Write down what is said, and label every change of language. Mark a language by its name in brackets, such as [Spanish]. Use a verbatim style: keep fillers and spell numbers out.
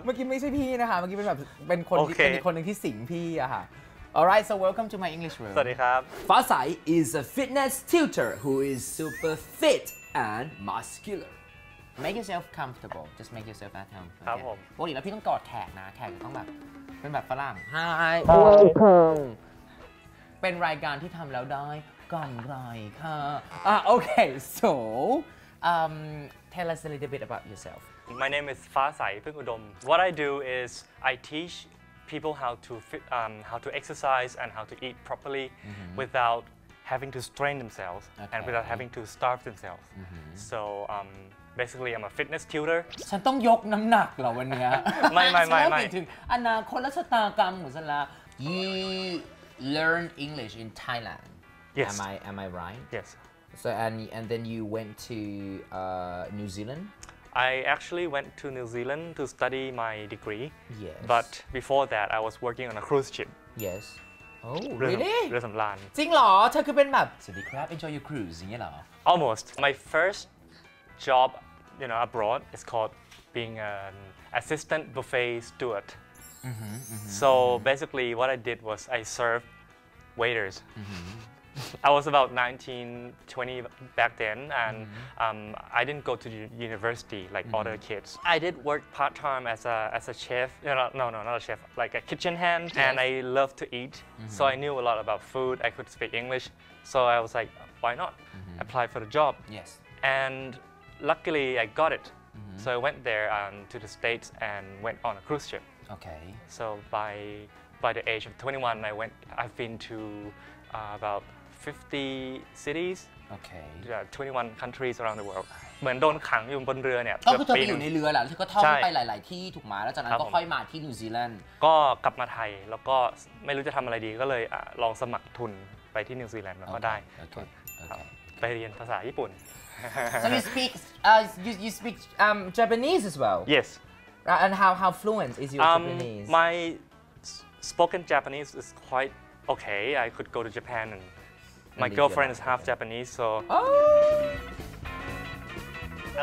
[Thai] เมื่อกี้ไม่ใช่พี่นะคะเมื่อกี้เป็นแบบเป็นคนที่เป็นคนนึงที่สิงพี่อะค่ะ [English] Alright so welcome to my English room [Thai] สวัสดีครับ [English] Fasai is a fitness tutor who is super fit and muscular Make yourself comfortable Just make yourself at home [Thai] ครับผม ปกติแล้วพี่ต้องกอดแขกนะแขกต้องแบบเป็นแบบฝรั่ง Hi Welcome เป็นรายการที่ทำแล้วได้กำไรค่ะอ่ะ [English] Okay so um, tell us a little bit about yourself My name is Fasai Phukudom What I do is I teach people how to fit, um, how to exercise and how to eat properly mm-hmm. without having to strain themselves okay. and without having to starve themselves mm-hmm. so um,Basically, I'm a fitness tutor. [Thai] ฉันต้องยกน้ำหนักเหรอวันนี้ ไม่ไม่ไม่ไม่ ถึงอนาคตและชะตากรรมของฉันละ [English] You learn English in Thailand. Yes. Am I am I right? Yes. So and and then you went to uh, New Zealand. I actually went to New Zealand to study my degree. Yes. But before that, I was working on a cruise ship. Yes. Oh [Thai] เรือ [English] really [Thai] เรือสำราญ จริงเหรอเธอคือเป็นแบบสวัสดีครับ [English] enjoy your cruise [Thai] อย่างเงี้ยเหรอ [English] Almost my first job you know abroad is called being an assistant buffet steward mm-hmm, mm-hmm, so mm-hmm. basically what I did was I served waiters mm-hmm. I was about nineteen, twenty back then, and mm-hmm. um, I didn't go to u- university like mm-hmm. other kids. I did work part time as a as a chef. No, no, no, not a chef. Like a kitchen hand, and I love to eat, mm-hmm. so I knew a lot about food. I could speak English, so I was like, why not mm-hmm. apply for the job? Yes. And luckily, I got it. Mm-hmm. So I went there um, to the States and went on a cruise ship. Okay. So by by the age of twenty-one, I went. I've been to uh, about. fifty cities, okay. yeah, twenty-one countries around the world. [Thai] เหมือนโดนขังอยู่บนเรือเนี่ย ก็คือเธอไปอยู่ในเรือแหละแล้วเธอก็ท่องไปหลายๆที่ถูกไหมแล้วจากนั้นก็ค่อยมาที่นิวซีแลนด์ ก็กลับมาไทยแล้วก็ไม่รู้จะทำอะไรดีก็เลยลองสมัครทุนไปที่นิวซีแลนด์แล้วก็ได้ไปเรียนภาษาญี่ปุ่น [English] So you speak uh, you you speak um, Japanese as well? Yes. Uh, and how how fluent is your um, Japanese? My spoken Japanese is quite okay. I could go to Japan and. My girlfriend is half Japanese, so oh.